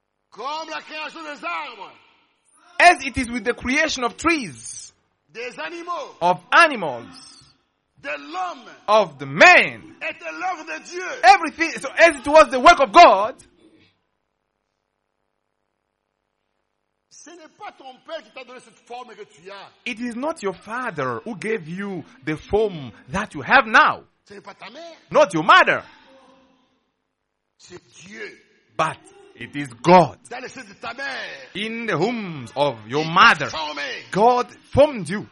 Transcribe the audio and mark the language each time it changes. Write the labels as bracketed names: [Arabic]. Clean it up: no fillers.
[French] Comme la création des arbres. [English] As it is with the creation of trees. [French] Des animaux. [English] Of animals. [French] De l'homme. [English] Of the man. [French] Et de l'œuvre de Dieu. [English] Everything. So as it was the work of God. [French] Ce n'est pas ton père qui t'a donné cette forme que tu as. [English] It is not your father who gave you the form that you have now. [French] Ce n'est pas ta mère. [English] Not your mother. [French] C'est Dieu. [English] But it is God. [French] Dans les seins de ta mère. [English] In the wombs of your mother. [French] Formé. [English] God formed you.